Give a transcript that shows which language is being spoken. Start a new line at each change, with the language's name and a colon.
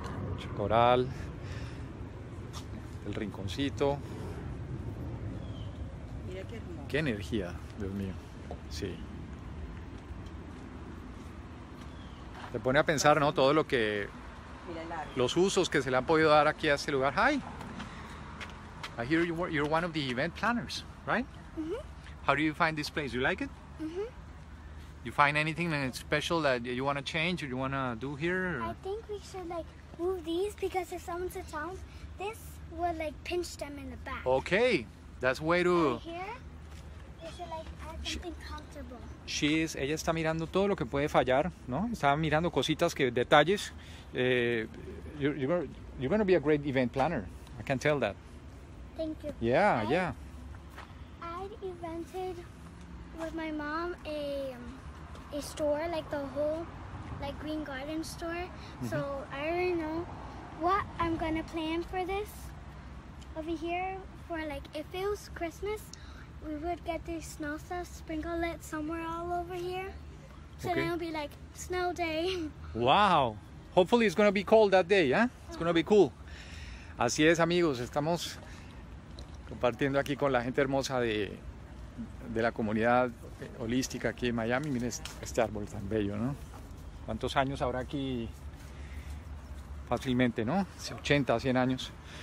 Spanish: Mucho coral. El rinconcito. Mira qué hermoso. Qué energía, Dios mío. Sí. Te pone a pensar, ¿no? Todo lo que... los usos que se le han podido dar aquí a este lugar.
English: Hi. I hear you're one of the event planners, right? Mm-hmm. How do you find this place? You like it? Mm-hmm. You find anything special that you want to change or you want to do here? Or? I think we should like move these because if someone's in town, this will like pinch them in the back. Okay, that's way to. Right here, they should like add something comfortable. She is.
Spanish: Ella está mirando todo lo que puede fallar, ¿no? Está mirando cositas que detalles.
English: You're going to be a great event planner. I can tell that. Thank you. Yeah, yeah. I invented with my mom a store, like the whole like Green Garden store. Mm-hmm. So I already know what I'm going to plan for this over here. For like if it was Christmas, we would get the snow stuff, sprinkle it somewhere all over here. So okay. Then it'll be like snow day. Wow. Hopefully it's going to be cold that day, ¿eh? It's going to be cool.
Spanish: Así es, amigos. Estamos compartiendo aquí con la gente hermosa de la comunidad holística aquí en Miami. Miren este árbol tan bello, ¿no? ¿Cuántos años habrá aquí? Fácilmente, ¿no? 80, 100 años.